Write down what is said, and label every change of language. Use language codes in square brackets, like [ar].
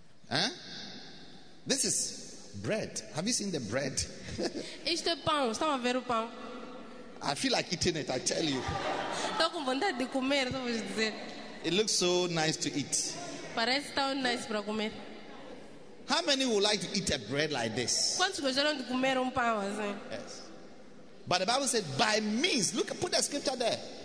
[en] Huh? This is bread. Have you seen the bread? [pt] Este é pão. Estão a ver o pão? [en] I feel like eating it, I tell you. [pt] Estou com vontade de comer, estou a vos dizer. [en] It looks so nice to eat. [pt] Parece tão nice para comer. [en] How many would like to eat a bread like this? [pt] Quantos gostariam de comer pão assim? [en] Yes. But the Bible said, by means, look, put the scripture there.